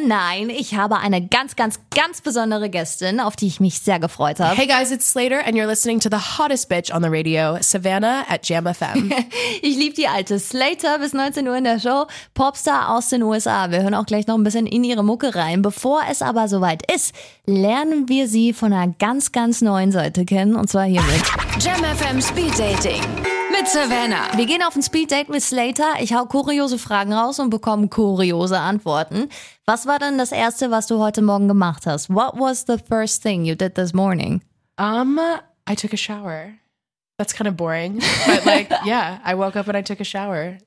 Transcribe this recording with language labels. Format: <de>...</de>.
<de>Nein, ich habe eine ganz, ganz, ganz besondere Gästin, auf die ich mich sehr gefreut habe.</de> <en>Hey guys, it's Slater and you're listening to the hottest bitch on the radio, Savannah at Jam FM.</en> <de>Ich liebe die alte Slater bis 19 Uhr in der Show. Popstar aus den USA. Wir hören auch gleich noch ein bisschen in ihre Mucke rein. Bevor es aber soweit ist, lernen wir sie von einer ganz, ganz neuen Seite kennen. Und zwar hiermit. Jam FM Speed Dating. Mit Savannah. Wir gehen auf ein Speeddate mit Slater. Ich hau kuriose Fragen raus und bekomme kuriose Antworten. Was war denn das Erste, was du heute Morgen gemacht hast?</de> <en>What was the first thing you did this morning? I took a shower. That's kind of boring. But like, yeah, I woke up and I took a shower.</en>